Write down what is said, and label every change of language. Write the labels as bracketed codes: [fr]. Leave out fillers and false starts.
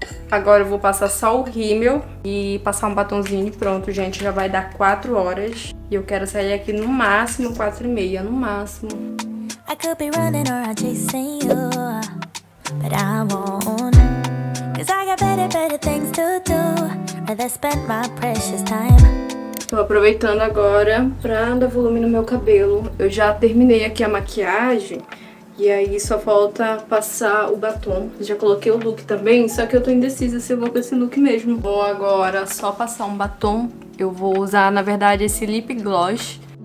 [pt] Agora eu vou passar só o rímel e passar um batonzinho e pronto, gente. Já vai dar 4 horas. E eu quero sair aqui no máximo 4:30, no máximo. [en] I could be running or I'm chasing you, but I won't. Cause I got better things to do. Rather spend my precious time. [pt] Tô aproveitando agora pra dar volume no meu cabelo. Eu já terminei aqui a maquiagem. E aí só falta passar o batom. Já coloquei o look também, só que eu tô indecisa se eu vou com esse look mesmo. Vou agora só passar um batom. Eu vou usar, na verdade, esse lip gloss.